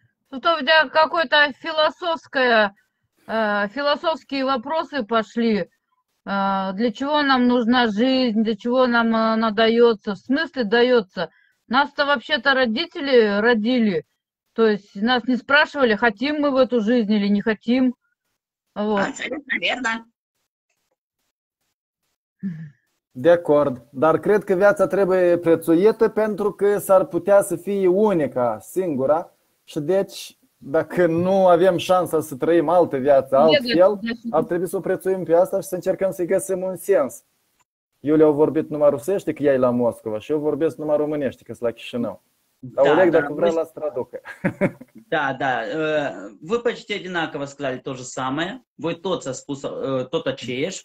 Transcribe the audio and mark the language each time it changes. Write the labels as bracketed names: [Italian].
[Russian] Тут у тебя какой-то философские вопросы пошли. Для чего нам нужна жизнь, для чего нам она дается, в смысле дается. Нас-то вообще-то родители родили, то есть нас не спрашивали, хотим мы в эту жизнь или не хотим. Вот. Абсолютно верно. [Romanian] De acord, dar cred că viața trebuie prețuită pentru că s-ar putea să fie unica, singura. Și deci, dacă nu avem șansa să trăim altă viață, altfel, ar trebui să o prețuim pe asta și să încercăm să-i găsim un sens. Iulia a vorbit numai rusește, că ea e la Moscova, și eu vorbesc numai românește, că sunt la Chișinău. Dar Oleg, dacă vrea, las traducă. Da. [Russian] Vă почти одинаково сказали то же самое. [Romanian] Voi toți a spus tot aceeași.